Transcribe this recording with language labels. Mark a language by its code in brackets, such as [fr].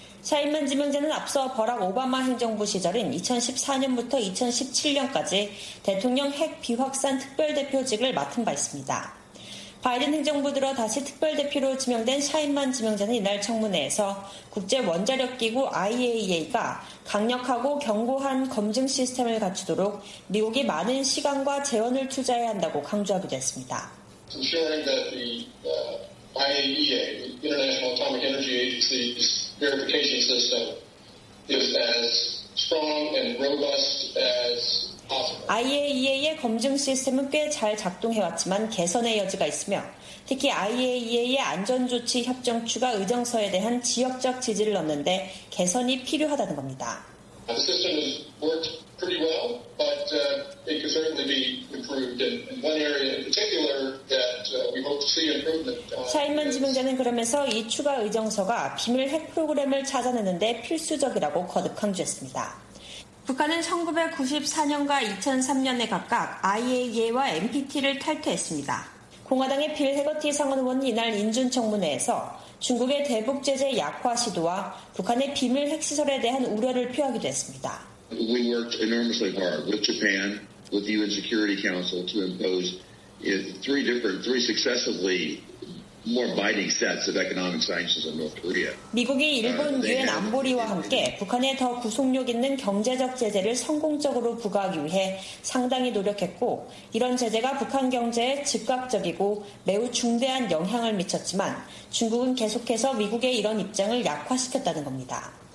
[ko] 샤인만 지명자는 앞서 버락 오바마 행정부 시절인 2014년부터 2017년까지 대통령 핵 비확산 특별대표직을 맡은 바 있습니다. 바이든 행정부 들어 다시 특별대표로 지명된 샤인만 지명자는 이날 청문회에서 국제원자력기구 IAEA가 강력하고 견고한 검증 시스템을 갖추도록 미국이 많은 시간과 재원을 투자해야 한다고 강조하기도 했습니다. [en] IAEA, the International Atomic Energy Agency's verification system, is as strong and robust as possible. [ko] IAEA의 검증 시스템은 꽤 잘 작동해왔지만 개선의 여지가 있으며 특히 IAEA의 안전조치 협정 추가 의정서에 대한 지역적 지지를 얻는 데 개선이 필요하다는 겁니다. [en] The system has worked pretty well, but it could certainly be improved in one area in particular that we hope to see improvement. [ko] 샤인만 지명자는 그러면서 이 추가 의정서가 비밀 핵 프로그램을 찾아내는 데 필수적이라고 거듭 강조했습니다. 북한은 1994년과 2003년에 각각 IAEA와 NPT를 탈퇴했습니다. 공화당의 빌 해거티 상원 의원은 이날 인준청문회에서 중국의 대북 제재 약화 시도와 북한의 비밀 핵시설에 대한 우려를 표하기도 했습니다. [en] We worked enormously hard with Japan, with the UN Security Council to impose three successively more binding sets of economic sanctions on North Korea. [ko] 미국이 일본 유엔 안보리와 함께 북한에 더 구속력 있는 경제적 제재를 성공적으로 부과하기 위해 상당히 노력했고 이런 제재가 북한 경제에 즉각적이고 매우 중대한 영향을 미쳤지만 중국은 계속해서 미국의 이런 입장을 약화시켰다는 겁니다.